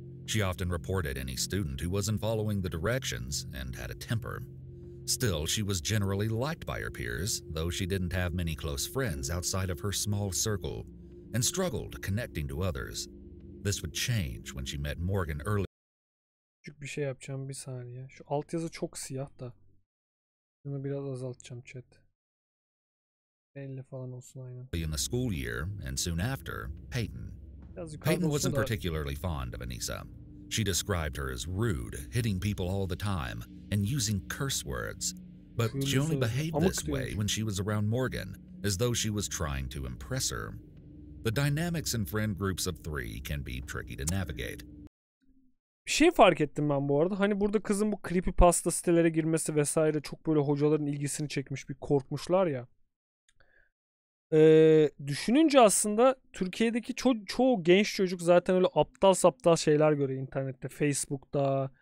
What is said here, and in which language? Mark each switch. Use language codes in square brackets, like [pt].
[en] She often reported any student who wasn't following the directions and had a temper. Still, she was generally liked by her peers, though she didn't have many close friends outside of her small circle, and struggled connecting to others. This would change when she met Morgan early. [tr] Küçük bir şey yapacağım bir saniye. Şu altyazı çok siyah da. Bunu biraz azaltacağım chat. 50 falan olsun aynen. [en] In the school year and soon after, Peyton. Peyton wasn't particularly fond of Anissa. She described her as rude, hitting people all the time, and using curse words. But she only behaved this way when she was around Morgan, as though she was trying to impress her. The dynamics in friend groups of three can be tricky to navigate. [tr] Bir şey fark ettim ben bu arada. Hani burada kızın bu creepypasta sitelere girmesi vesaire çok böyle hocaların ilgisini çekmiş, bir korkmuşlar ya. Düşününce aslında Türkiye'deki çoğu genç çocuk zaten öyle aptal saptal şeyler görüyor internette, Facebook'ta.